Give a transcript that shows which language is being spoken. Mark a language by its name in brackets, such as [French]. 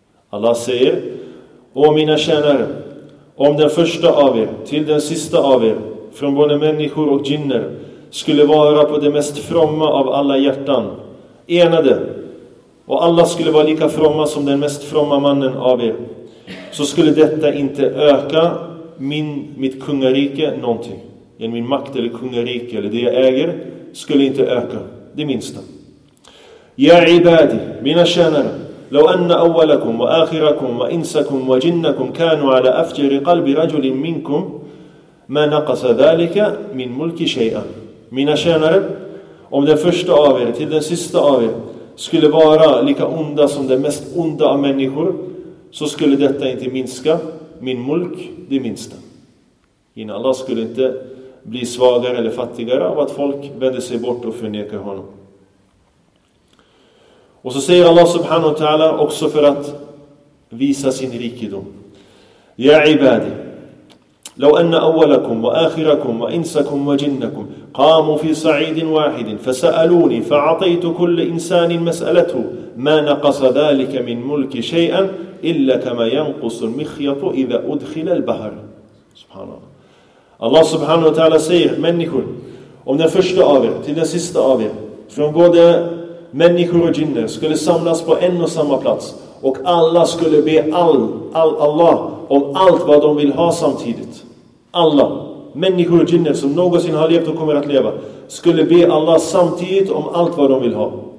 [Swedish] Allah säger: O mina tjänare, om den första av er till den sista av er från både människor och jinner skulle vara på det mest fromma av alla hjärtan, enade, och alla skulle vara lika fromma som den mest fromma mannen av er, så skulle detta inte öka mitt kungarike någonting. Genom min makt eller kungarike eller det jag äger skulle inte öka det minsta. [Arabic] Ya ibadi, [Swedish] mina tjänare, [Arabic] لو أن أولكم وآخركم وإنسكم وجنكم كانوا على أفجر قلب رجل منكم ما نقص ذلك من ملك شيئا. [Swedish] Mina tjänare, om den första av er till den sista av er skulle vara lika onda som den mest onda av människor, så skulle detta inte minska min mulk det minsta. Innan Allah skulle inte bli svagare eller fattigare av att folk vände sig bort och förnekar honom. Och så säger Allah subhanahu wa ta'ala också för att visa sin rikedom: [Arabic] Ya ibadi, لو أن أولكم وآخركم وإنسكم وجنكم قاموا في صعيد واحد فسألوني فعطيت كل إنسان مسألته ما نقص ذلك من ملك شيئا إلا كما ينقص المخيط إذا أدخل البحر. [Swedish] Allah subhanahu wa ta'ala säger: människor, om den första av er till den sista av er från både människor och jinner skulle samlas på en och samma plats och alla skulle be all Allah om allt vad de vill ha samtidigt, alla människor och jinner som någonsin har levt och kommer att leva skulle be Allah samtidigt om allt vad de vill ha